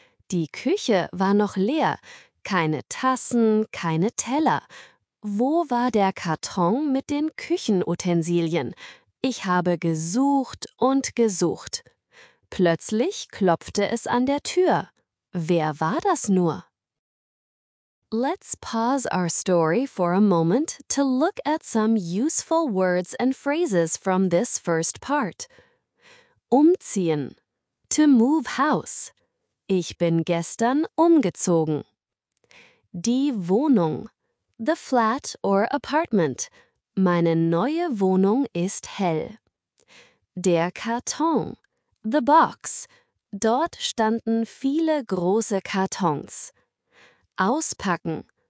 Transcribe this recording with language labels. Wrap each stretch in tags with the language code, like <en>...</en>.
<de>Die Küche war noch leer. Keine Tassen, keine Teller. Wo war der Karton mit den Küchenutensilien? Ich habe gesucht und gesucht. Plötzlich klopfte es an der Tür. Wer war das nur?</de> <en>Let's pause our story for a moment to look at some useful words and phrases from this first part.</en> <de>Umziehen.</de> <en>To move house.</en> <de>Ich bin gestern umgezogen. Die Wohnung.</de> <en>The flat or apartment.</en> <de>Meine neue Wohnung ist hell. Der Karton.</de> <en>The box.</en> <de>Dort standen viele große Kartons. Auspacken.</de>